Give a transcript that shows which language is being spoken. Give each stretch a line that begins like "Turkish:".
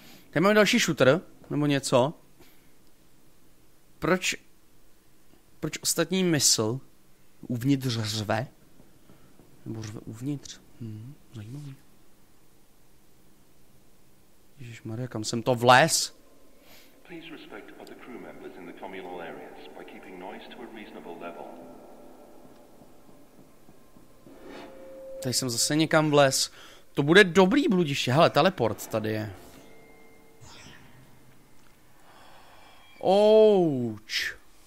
Czech: Tady máme další shooter, nebo něco. Proč ostatní mysl uvnitř řve? Nebo řve uvnitř. Zajímavý. Ježišmarja, kam jsem to vlez?
English: Please respect other crew members in the communal areas by keeping noise to a reasonable level.
Czech: Tady jsem zase někam vlez. To bude dobrý bludiště. Hele, teleport tady je. Ouch.